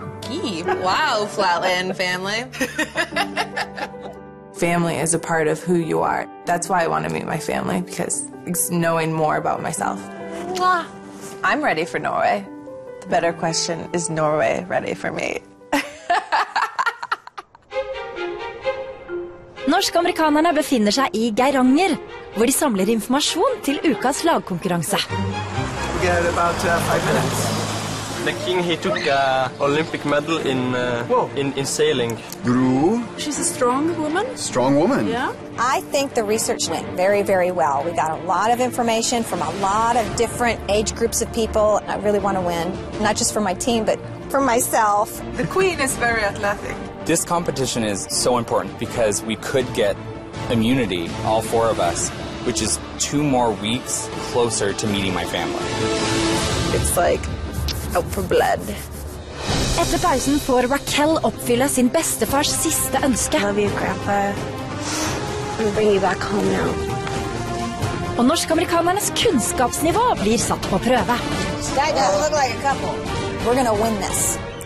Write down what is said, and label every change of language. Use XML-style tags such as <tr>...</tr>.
<en>Keep. Wow, Flatland family. Family is a part of who you are. That's why I want to meet my family, because it's knowing more about myself. Mwah. I'm ready for Norway. The better question is, Norway ready for me?</en> <no>Norsk-amerikanerne befinner seg I Geiranger, hvor de samler informasjon til ukas lagkonkurranse. Vi har</no> <en>about 5 minutes. The king, he took an Olympic medal in sailing. Gru. She's a strong woman. Strong woman. Yeah. I think the research went very, very well. We got a lot of information from a lot of different age groups of people. I really want to win, not just for my team, but for myself. The queen is very athletic. This competition is so important because we could get immunity, all four of us, which is 2 more weeks closer to meeting my family. It's like out for blood.</en> <no>Etter pausen får Raquel oppfylle sin bestefars siste ønske.</no> <en>I love you, Grandpa. I'm gonna bring you back home now.</en> <no>Og norsk-amerikanernes kunnskapsnivå blir satt på prøve.</no> <en>That doesn't look like a couple. We're gonna win this.</en>